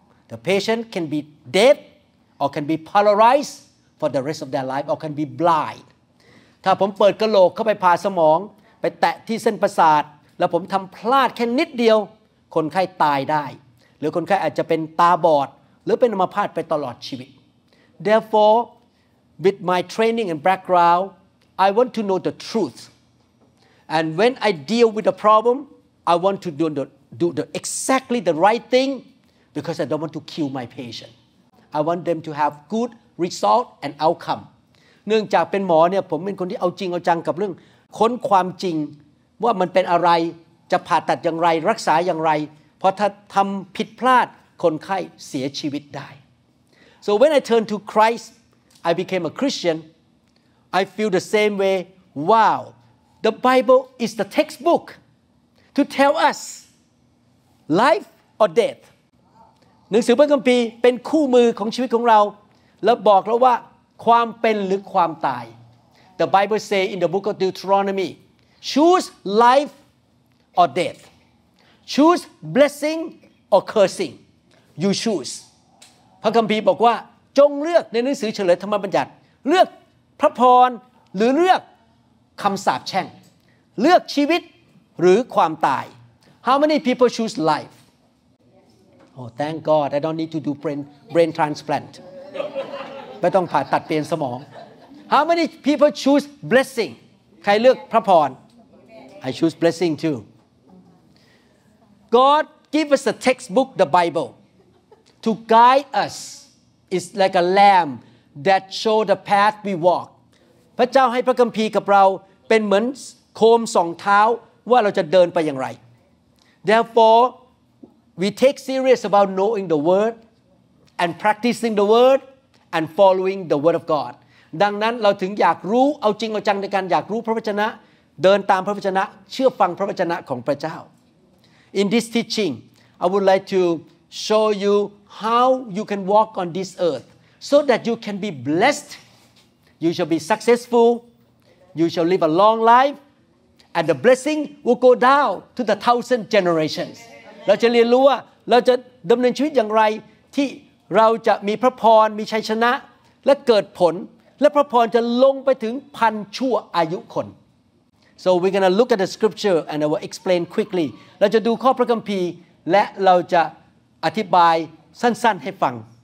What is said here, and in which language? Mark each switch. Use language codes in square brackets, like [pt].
[en] the patient can be dead or can be paralyzed for the rest of their life or can be blind [th] ถ้าผมเปิดกะโหลกเข้าไปผ่าสมองไปแตะที่เส้นประสาทแล้วผมทำพลาดแค่นิดเดียวคนไข้ตายได้หรือคนไข้อาจจะเป็นตาบอดหรือเป็นอัมพาตไปตลอดชีวิต [en] Therefore,With my training and background, I want to know the truth. And when I deal with a problem, I want to do exactly the right thing because I don't want to kill my patient. I want them to have good result and outcome. [th] เนื่องจากเป็นหมอเนี่ยผมเป็นคนที่เอาจริงเอาจังกับเรื่องค้นความจริงว่ามันเป็นอะไรจะผ่าตัดอย่างไรรักษาอย่างไรเพราะถ้าทำผิดพลาดคนไข้เสียชีวิตได้ [en] So when I turn to ChristI became a Christian. I feel the same way. Wow, the Bible is the textbook to tell us life or death. [th] หนังสือพระคัมภีร์เป็นคู่มือของชีวิตของเราแล้วบอกเราว่าความเป็นหรือความตาย [en] The Bible say in the book of Deuteronomy, choose life or death. Choose blessing or cursing. You choose. [th] พระคัมภีร์บอกว่าจงเลือกในหนังสือเฉลยธรรมบัญญัติเลือกพระพรหรือเลือกคำสาปแช่งเลือกชีวิตหรือความตาย [en] How many people choose life? Oh, thank God I don't need to do brain transplant. [th] ไม่ต้องผ่าตัดเปลี่ยนสมอง [en] How many people choose blessing? [th] ใครเลือกพระพร [en] I choose blessing too. God give us a textbook, the Bible, to guide us. It's like a lamb that show the path we walk. [th] พระเจ้าให้พระคัมภีร์กับเราเป็นเหมือนโคมสองเท้าว่าเราจะเดินไปอย่างไร [en] Therefore, we take serious about knowing the word and practicing the word and following the word of God. [th] ดังนั้นเราถึงอยากรู้เอาจริงเอาจังในการอยากรู้พระวจนะเดินตามพระวจนะเชื่อฟังพระวจนะของพระเจ้า [en] In this teaching, I would like to show youHow you can walk on this earth so that you can be blessed, you shall be successful, you shall live a long life and the blessing will go down to the thousand generations [th] เราจะเรียนรู้ว่าเราจะดำเนินชีวิตอย่างไรที่เราจะมีพระพรมีชัยชนะและเกิดผลและพระพรจะลงไปถึงพันชั่วอายุคน [en] so we're going to look at the scripture and I will explain quickly [th] เราจะดูข้อพระคัมภีร์และเราจะอธิบายสั้นๆให้ฟัง